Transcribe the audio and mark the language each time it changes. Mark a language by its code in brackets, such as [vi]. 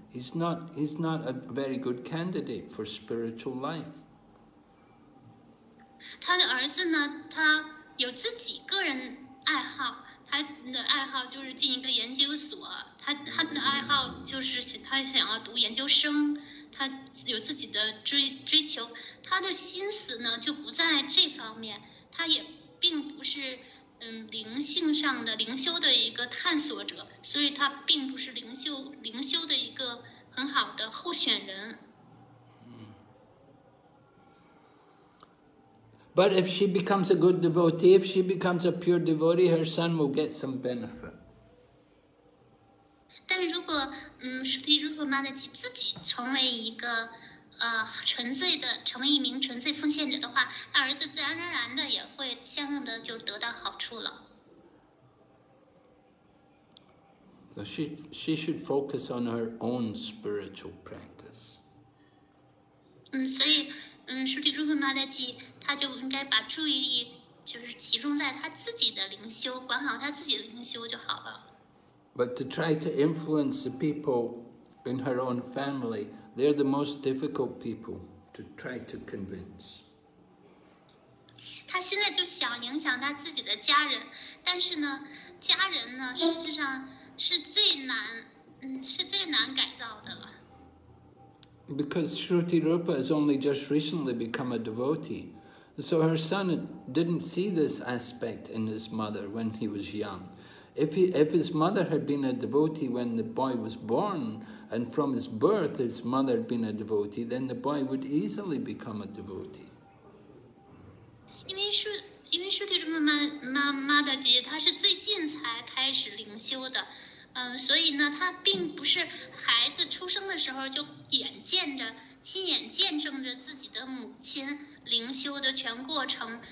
[en] He's not a very good candidate for spiritual life. [zh] 他的儿子呢？他有自己个人爱好，他的爱好就是进一个研究所。他的爱好就是他想要读研究生，他有自己的追求。他的心思呢就不在这方面，他也并不是灵性上的灵修的一个探索者，所以他并不是灵修的一个很好的候选人。 [en] But if she becomes a good devotee, if she becomes a pure devotee, her son will get some benefit. [zh] 但如果舍利如果妈的自己成为一个纯粹的成为一名纯粹奉献者的话，那儿子自然而然的也会相应的就得到好处了。 [en] So she should focus on her own spiritual practice. [zh] 所以舍利如果妈的她就应该把注意力就是集中在她自己的灵修，管好她自己的灵修就好了。 [en] But to try to influence the people in her own family, they're the most difficult people to try to convince. [zh] 她现在就想影响她自己的家人，但是呢，家人呢，实际上是最难，是最难改造的了。 [en] Because Shruti Rupa has only just recently become a devotee, so her son didn't see this aspect in his mother when he was young. If his mother had been a devotee when the boy was born, and from his birth his mother had been a devotee, then the boy would easily become a devotee. [zh] 因为舍利如果妈的姐姐，她是最近才开始灵修的，所以呢，她并不是孩子出生的时候就眼见着、亲眼见证着自己的母亲灵修的全过程。